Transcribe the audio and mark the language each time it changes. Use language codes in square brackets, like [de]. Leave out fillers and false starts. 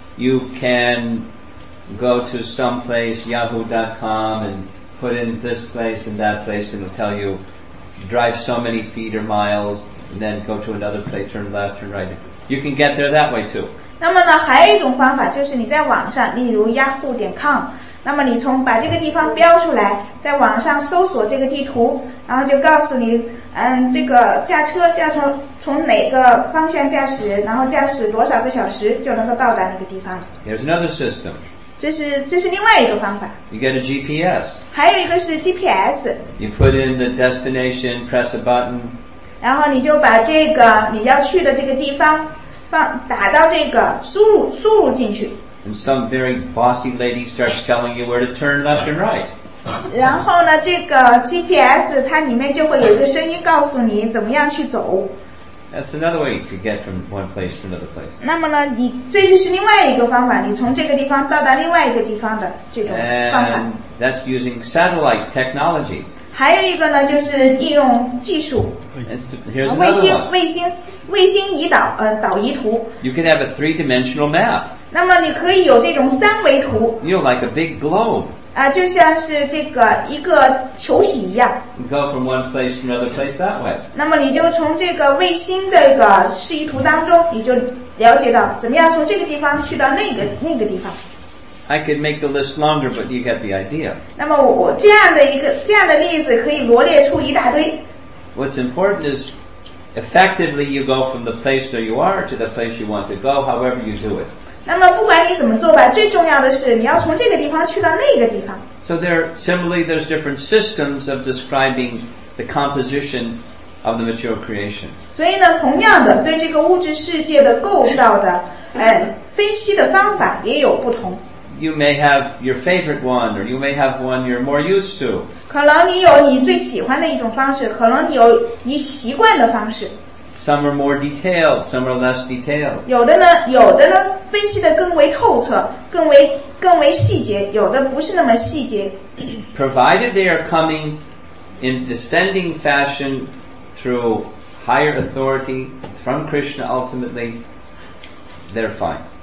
[en] You can go to some place, yahoo.com, and put in this place and that place, and it'll tell you drive so many feet or miles, and then go to another place, turn left, turn right. You can get there that way too. [zh] 那么呢，还有一种方法就是你在网上，例如 yahoo.com， 那么你从把这个地方标出来，在网上搜索这个地图，然后就告诉你，嗯，这个驾车驾从哪个方向驾驶，然后驾驶多少个小时就能够到达那个地方。 [en] There's another system. [zh] 这是另外一个方法。 [en] You get a GPS. [zh] 还有一个是 GPS. [en] You put in the destination, press a button. [zh] 然后你就把这个你要去的这个地方。打到这个输入进去。 [en] And some very bossy lady starts telling you where to turn left and right. [zh] 然后呢，这个 GPS 它里面就会有一个声音告诉你怎么样去走。 [en] That's another way to get from one place to another place. [zh] 那么呢，你这就是另外一个方法，你从这个地方到达另外一个地方的这种方法。 [en] And that's using satellite technology. [zh] 还有一个呢，就是应用技术。 [en] Here's another one. [zh] 卫星仪导，导仪图。 [en] You can have a three-dimensional map. [zh] 那么你可以有这种三维图。 [en] You know, like a big globe. [zh] 啊，就像是这个一个球体一样。 [en] You go from one place to another place that way. [zh] 那么你就从这个卫星这个示意图当中，你就了解到怎么样从这个地方去到那个地方。 [en] I could make the list longer, but you get the idea. [zh] 那么我这样的例子可以罗列出一大堆。 [en] What's important is. Effectively, you go from the place that you are to the place you want to go, however you do it. [zh] 那么不管你怎么做吧，最重要的是你要从这个地方去到那个地方。 [en] So there, similarly, there's different systems of describing the composition of the material creation. [zh] 所以呢，同样的，对这个物质世界的构造的，分析的方法也有不同。 [en] You may have your favorite one, or you may have one you're more used to. [zh] 可能你有你最喜欢的一种方式，可能你有你习惯的方式。 [en] Some are more detailed, some are less detailed. [zh] 有的呢，分析的更为透彻，更为细节，有的不是那么细节。 [en] Provided they are coming in descending fashion through higher authority from Krishna ultimately, they're fine.